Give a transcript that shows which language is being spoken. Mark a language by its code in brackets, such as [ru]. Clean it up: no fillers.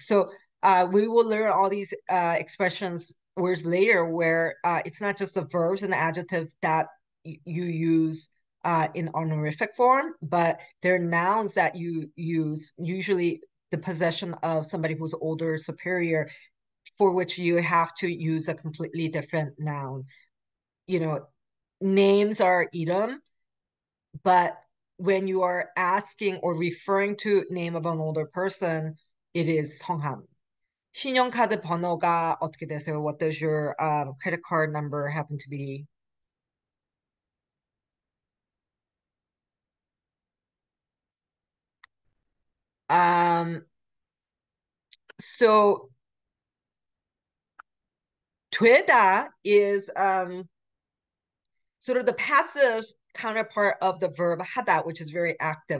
[en] So we will learn all these expressions, words later, where it's not just the verbs and the adjectives that you use in honorific form, but they're nouns that you use, usually the possession of somebody who's older, superior, for which you have to use a completely different noun. Names are 이름, but when you are asking or referring to name of an older person, it is 성함. [ko] 신용카드 번호가 어떻게 되세요? [en] What does your credit card number happen to be? 되다 is sort of the passive counterpart of the verb 하다, which is very active.